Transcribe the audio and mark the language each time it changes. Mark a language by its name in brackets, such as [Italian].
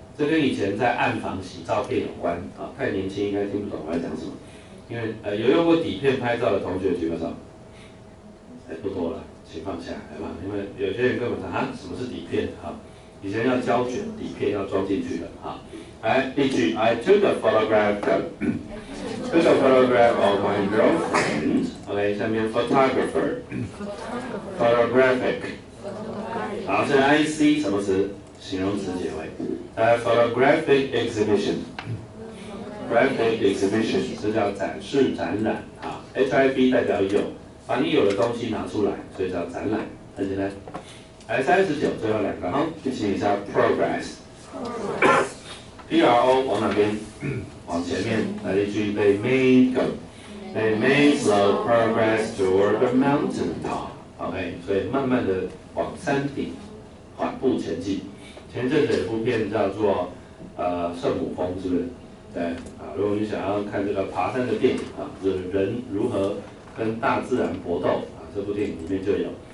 [Chinese] 这跟以前在暗房洗照片有关啊。太年轻应该听不懂我在讲什么，因为有用过底片拍照的同学举个手，不多了，请放下来吧。因为有些人根本说啊，什么是底片啊？以前要胶卷底片要装进去的啊。来例句 [English] ，I took a photograph of。 This is a photograph of my girlfriend. OK, [Chinese] 下面 [English] photographer. [Chinese] Photographic. 好，现在 IC 什么词？形容词结尾。 [English] Photographic exhibition. [Chinese] Graphic exhibition 是叫展示展览。好 ，HIV 代表有，把你有的东西拿出来，所以叫展览，很简单。来39，最后两个哈，进行一下 progress。 PRO 往哪边？往前面，来一句 [English] ，They made go， they made slow progress toward the mountain top。 [Chinese] OK， 所以慢慢的往山顶缓步前进。前阵子有一部片叫做圣母峰，是不是？对啊，如果你想要看这个爬山的电影啊，就是人如何跟大自然搏斗啊，这部电影里面就有。